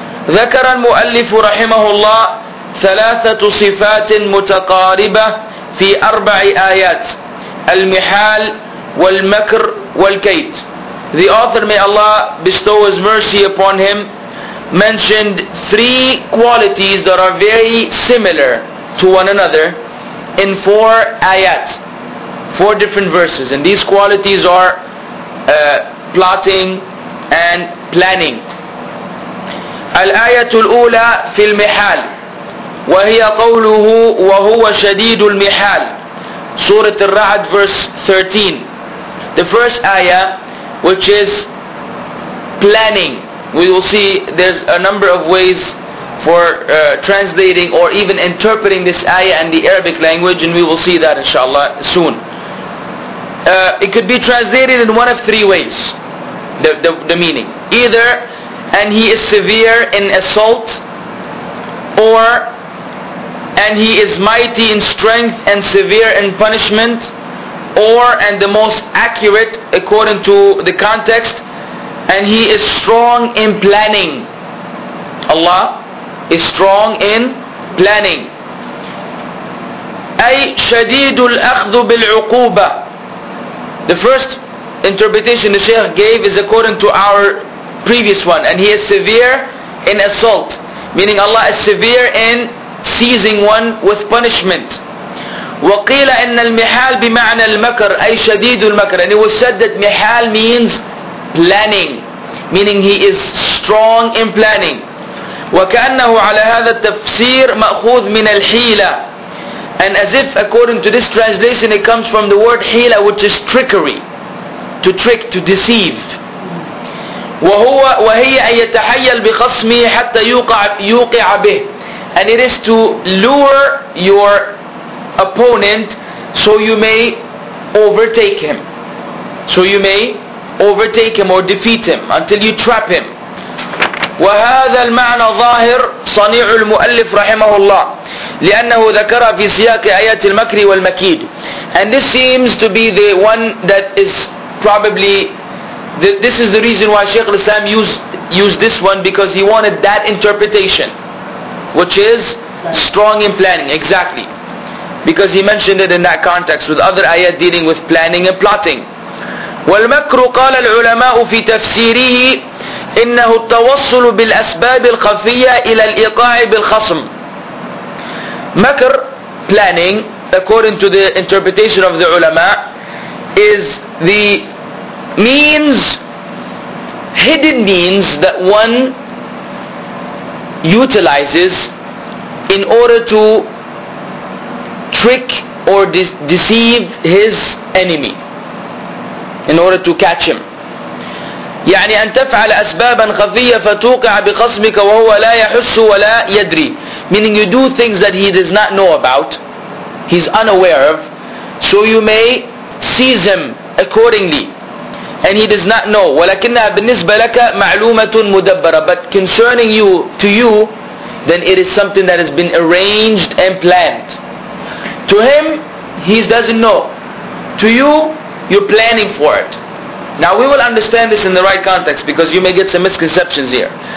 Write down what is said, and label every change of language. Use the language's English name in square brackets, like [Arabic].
[Arabic] ذكر المؤلف رحمه الله ثلاثة صفات متقاربة في أربع آيات المحال والمكر والكيد. [English] The author, may Allah bestow His mercy upon him, mentioned three qualities that are very similar to one another in four ayat, four different verses. And these qualities are plotting and planning. [Arabic] الآيات الأولى في المحال وهي قوله وهو شديد المحال. [English] Surah Al-Ra'd, verse 13. The first ayah, which is planning. We will see there's a number of ways for translating or even interpreting this ayah in the Arabic language, and we will see that inshallah soon. It could be translated in one of three ways, the meaning. Either, and he is severe in assault, or, and he is mighty in strength and severe in punishment, or, and the most accurate according to the context, and he is strong in planning. Allah is strong in planning. [Arabic] أي شديد الأخذ بالعقوبة. [English] The first interpretation the Shaykh gave is according to our previous one, and he is severe in assault, meaning Allah is severe in seizing one with punishment. [Arabic] وقيل ان المحال بمعنى المكر اي شديد المكر. [English] And it was said that محال means planning, meaning he is strong in planning. [Arabic] وكانه على هذا التفسير ماخوذ من الحيلة. [English] And as if according to this translation it comes from the word حيلة, which is trickery, to trick, to deceive. [Arabic] وهي ان يتحيل بخصمه حتى يوقع به. [English] And it is to lure your opponent so you may overtake him, so you may overtake him or defeat him until you trap him. [Arabic] وهذا المعنى ظاهر صنيع المؤلف رحمه الله لأنه ذكر في سياق آيات المكر والمكيد. [English] And this seems to be the one that is probably this is the reason why Shaykh al-Islam used this one, because he wanted that interpretation, which is strong in planning. Exactly, because he mentioned it in that context with other ayat dealing with planning and plotting. [Arabic] والمكر قال العلماء في تفسيره إنه التوصل بالأسباب الخفية إلى الإيقاع بالخصم. [English] مكر, planning, according to the interpretation of the ulama, is the means, hidden means that one utilizes in order to trick or deceive his enemy, in order to catch him. [Arabic] يعني أن تفعل أسبابا خفية فتوقع بخصمك وهو لا يحس ولا يدري. [English] Meaning you do things that he does not know about, he's unaware of, so you may seize him accordingly, and he does not know. [Arabic] ولكنها بالنسبة لك معلومة مدبرة. [English] But concerning you, to you, then it is something that has been arranged and planned. To him, he doesn't know. To you, you're planning for it. Now we will understand this in the right context, because you may get some misconceptions here.